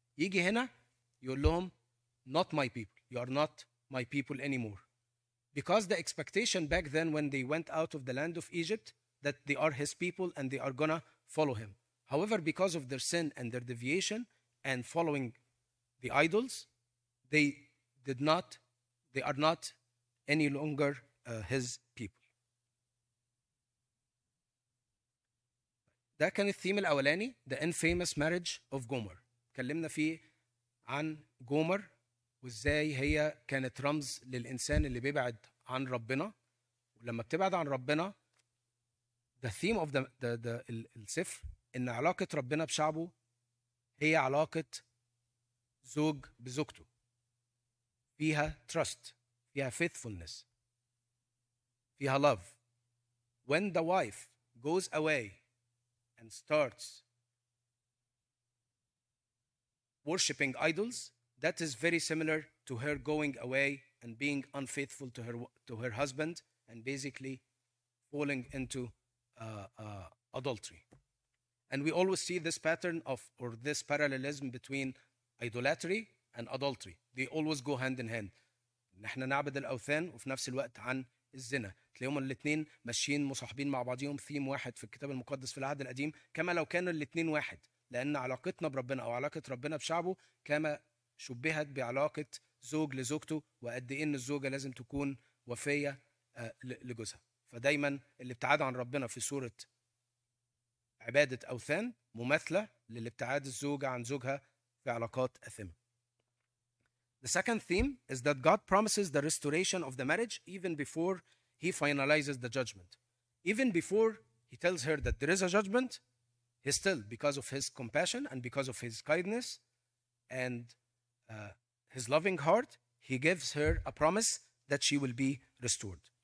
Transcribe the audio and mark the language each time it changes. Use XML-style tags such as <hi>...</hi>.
<ar>يجي هنا يقول لهم</ar> <en>not my people. You are not my people anymore. Because the expectation back then when they went out of the land of Egypt that they are his people and they are gonna follow him. However, because of their sin and their deviation and following the idols, they did not, they are not any longer his people.</en> <ar>ده كان الثيم الأولاني,</ar> <en>the infamous marriage of Gomer.</en> <ar>كلمنا فيه عن Gomer وإزاي هي كانت رمز للإنسان اللي بيبعد عن ربنا. ولما بتبعد عن ربنا,</ar> <en>the theme of the</en> <ar>السفر إن علاقة ربنا بشعبه هي علاقة زوج بزوجته. فيها trust, فيها faithfulness, فيها love.</ar> <en>When the wife goes away and starts worshipping idols, that is very similar to her going away and being unfaithful to her husband and basically falling into adultery. And we always see this pattern of, or this parallelism between idolatry and adultery. They always go hand in hand.</en> <ar>نحن نعبد الأوثان وفي نفس الوقت عن الزنا. تلاقيهم الاثنين ماشيين مصاحبين مع بعضهم ثيم واحد في الكتاب المقدس في العهد القديم, كما لو كانوا الاثنين واحد, لأن علاقتنا بربنا أو علاقة ربنا بشعبه كما شبهت بعلاقة زوج لزوجته, وقد إيه إن الزوجة لازم تكون وفية لجوزها. فدايما اللي ابتعد عن ربنا في صورة عبادة أوثان مماثلة للابتعاد الزوجة عن زوجها في علاقات أثمة.</ar> <en>The second theme is that God promises the restoration of the marriage even before he finalizes the judgment. Even before he tells her that there is a judgment, he still, because of his compassion and because of his kindness and his loving heart, he gives her a promise that she will be restored.</en>